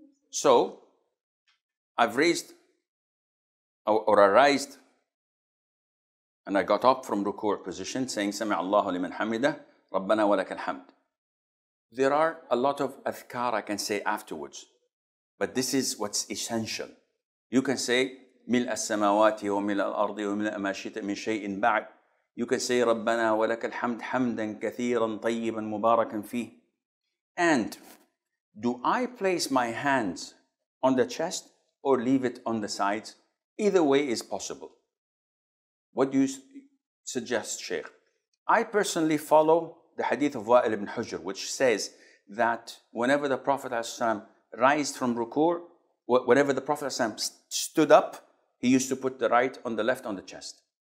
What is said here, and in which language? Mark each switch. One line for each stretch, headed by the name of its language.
English: So, I've raised or arised and I got up from ruku' position saying
Arabic: سَمِعَ اللَّهُ لِمَنْ حَمِدَهُ رَبَّنَا وَلَكَ الْحَمْدُ.
English: There are a lot of adhkar I can say afterwards, but this is what's essential. You can say
Arabic: مِلْأَ السَّمَوَاتِ وَمِلْأَ الْأَرْضِ وَمِلْأَ مَا شِئْتَ مِنْ شَيْءٍ بَعْدٍ.
English: You can say
Arabic: رَبَّنَا وَلَكَ الْحَمْدُ حَمْدًا كَثِيرًا طَيِّبًا مُبَارَكًا فِيهِ.
English: And do I place my hands on the chest or leave it on the sides? Either way is possible. What do you suggest, Sheikh? I personally follow the hadith of Wa'il ibn Hujr, which says that whenever the Prophet ﷺ rised from ruku', whenever the Prophet ﷺ stood up, he used to put the right on the left on the chest.